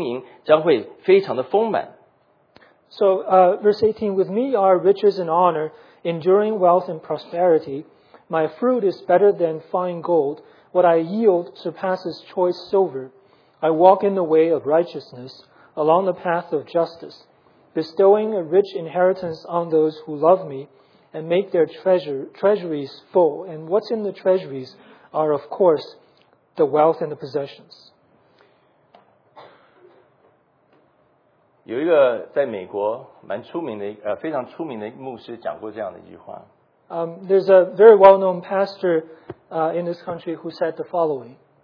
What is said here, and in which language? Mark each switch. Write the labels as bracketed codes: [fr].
[zh] 我的果实胜过黄金，强如金金。我的出产超乎高银。我在公义的道上走，在公平的路中行。使爱我的承受货财，或者就是财货，这财这个财富，并且充满他们的府库，充满他们的府库，就是他们的钱财，他们的金银将会非常的丰满。 [en] So verse 18, with me are riches and honor, enduring wealth and prosperity. My fruit is better than fine gold, What I yield surpasses choice silver. I walk in the way of righteousness, along the path of justice, bestowing a rich inheritance on those who love me and make their treasuries full. And what's in the treasuries are, of course, the wealth and the possessions. [zh] 有一个在美国非常出名的牧师讲过这样的一句话。 [en] There's a very well-known pastor in this country who said the following.